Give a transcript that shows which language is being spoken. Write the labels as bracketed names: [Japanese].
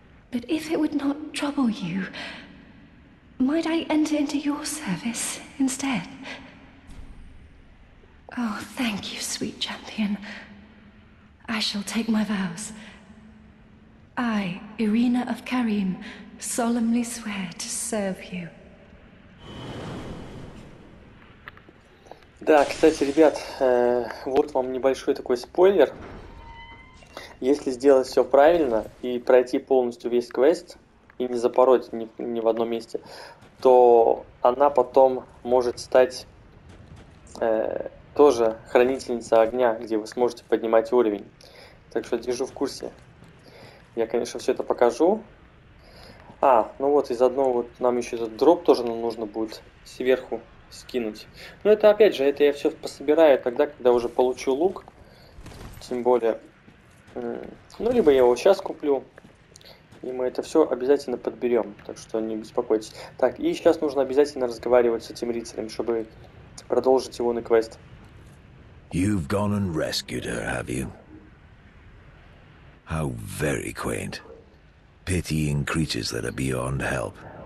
[English] But if it would not trouble you, might I enter into your service instead? Oh, thank you, sweet champion. I shall take my vows. I, Irina of Karim, solemnly swear to serve you. [Russian] Да, кстати, ребят, вот вам небольшой такой спойлер. Если сделать все правильно и пройти полностью весь квест, и не запороть ни в одном месте, то она потом может стать тоже хранительницей огня, где вы сможете поднимать уровень. Так что держу в курсе. Я, конечно, все это покажу. А, ну вот, и заодно вот нам еще этот дроп тоже нам нужно будет сверху скинуть. Но это опять же, это я все пособираю тогда, когда уже получу лук. Тем более. Ну, либо я его сейчас куплю. и мы это все обязательно подберем, так что не беспокойтесь. Так, и сейчас нужно обязательно разговаривать с этим рыцарем, чтобы продолжить его на квест. [English] You've gone and rescued her, have you? How very quaint. Pitying creatures that are beyond help.